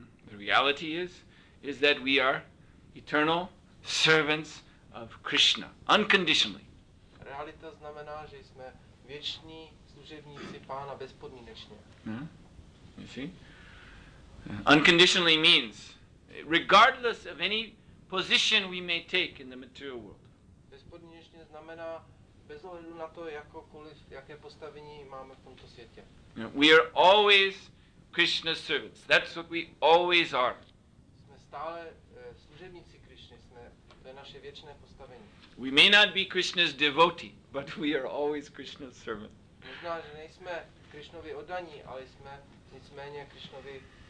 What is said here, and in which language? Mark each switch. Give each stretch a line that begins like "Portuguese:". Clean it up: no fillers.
English: The reality is that we are eternal servants of Krishna, unconditionally.
Czech: Realita znamená, že jsme věční služebníci Pána bezpodmínečně.
English: Mm-hmm. You see? Unconditionally means, regardless of any position we may take in the material world.
Czech: Bezpodmínečně znamená bez ohledu na to, jakokoliv, jaké postavení máme v tomto světě.
English: We are always Krishna's servants. That's what we always are.
Czech: Jsme stále služebníci Krišny, jsme, to je naše věčné postavení.
English: We may not be Krishna's devotee, but we are always Krishna's servant.
Czech: Možná, že nejsme Krišnovi oddaní, ale jsme nicméně Krišnovi